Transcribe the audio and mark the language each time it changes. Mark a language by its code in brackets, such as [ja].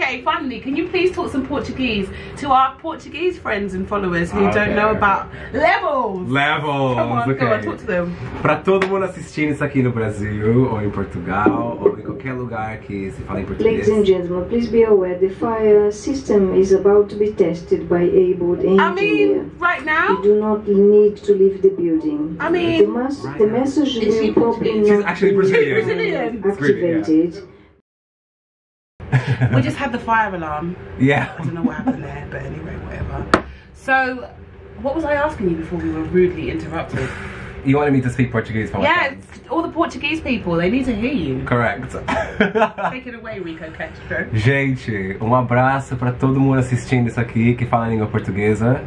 [en] Okay, finally, can you please talk some Portuguese to our Portuguese friends and followers who don't know about levels? Levels! Come on, come on, talk to them. [pt] Para todo mundo assistindo isso aqui no Brasil, ou em Portugal, ou em qualquer lugar que se fala em português. [en] Ladies and gentlemen, please be aware the fire system is about to be tested by abled engineer. I mean, right now? You do not need to leave the building. I mean, the message is in Portuguese. She's actually Brazilian. She's Brazilian. Activated. We just had the fire alarm. Yeah. I don't know what happened there, but anyway, whatever. So, what was I asking you before we were rudely interrupted? You wanted me to speak Portuguese for my friends. Yeah, all the Portuguese people, they need to hear you. Correct. Take it away, Rico Castro. [pt] Gente, abraço para todo mundo assistindo isso aqui que fala língua portuguesa.